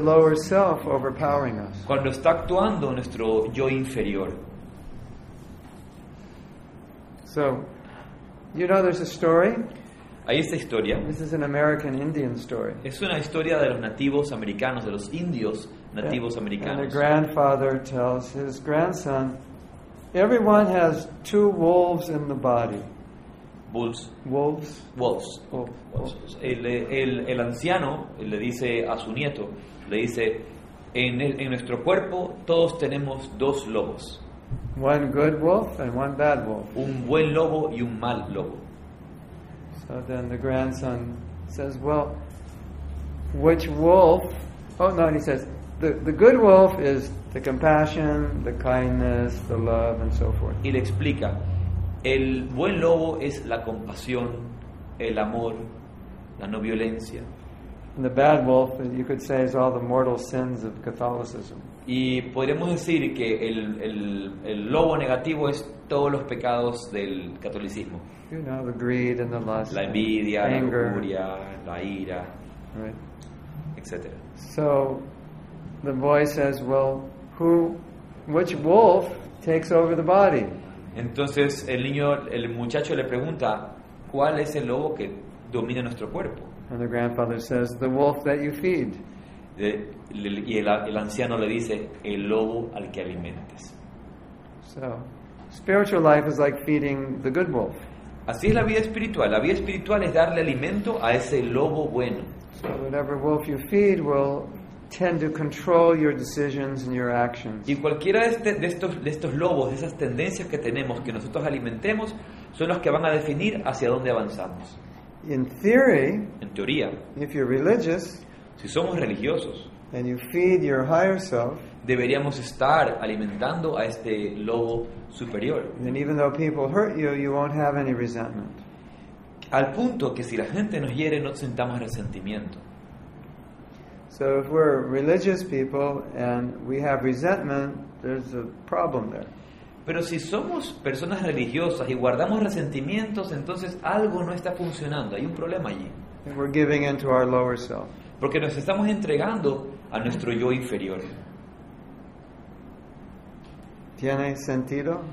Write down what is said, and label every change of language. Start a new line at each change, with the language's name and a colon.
English: the lower self overpowering us.
Spanish: Cuando está actuando nuestro yo inferior.
English: So, you know, there's a story.
Spanish: Hay esta historia.
English: This is an American Indian story.
Spanish: Es una historia de los nativos americanos, de los indios nativos americanos.
English: And a grandfather tells his grandson, everyone has 2 wolves in the body. Bulls. Wolves. Wolves. Wolves.
Spanish: El anciano le dice a su nieto, le dice, en nuestro cuerpo todos tenemos 2 lobos.
English: One good wolf and one bad wolf.
Spanish: Un buen lobo y un mal lobo.
English: So then the grandson says, well, which wolf? Oh no, and he says the good wolf is the compassion, the kindness, the love, and so forth.
Spanish: Y le explica, el buen lobo es la compasión, el amor, la no violencia.
English: And the bad wolf, you could say, is all the mortal sins of Catholicism.
Spanish: Y podríamos decir que el lobo negativo es todos los pecados del catolicismo.
English: You know, the greed and the lust,
Spanish: la envidia,
English: and
Spanish: la
English: anger,
Spanish: lujuria, la ira,
English: right,
Spanish: etc.
English: So the boy says, well, who, which wolf takes over the body?
Spanish: Entonces el muchacho le pregunta, ¿cuál es el lobo que domina nuestro cuerpo?
English: And the grandfather says, the wolf that you feed.
Spanish: Y el anciano le dice, el lobo al que alimentes.
English: So, spiritual life is like feeding the good wolf.
Spanish: Así es la vida espiritual. La vida espiritual es darle alimento a ese lobo bueno.
English: So, whatever wolf you feed will tend to control your decisions and your actions.
Spanish: Y cualquiera de estos lobos, de esas tendencias que tenemos, que nosotros alimentemos, son los que van a definir hacia dónde avanzamos.
English: In theory,
Spanish: en teoría,
English: if you're religious,
Spanish: si somos religiosos,
English: and you feed your higher self,
Spanish: deberíamos estar alimentando a este lobo superior.
English: And even though people hurt you, you won't have any resentment.
Spanish: Al punto que si la gente nos hiere, no sentamos resentimiento.
English: So if we're religious people and we have resentment, there's a problem there.
Spanish: Pero si somos personas religiosas y guardamos resentimientos, entonces algo no está funcionando. Hay un problema allí.
English: And we're giving into our lower self.
Spanish: Porque nos estamos entregando a nuestro yo inferior. ¿Tiene sentido?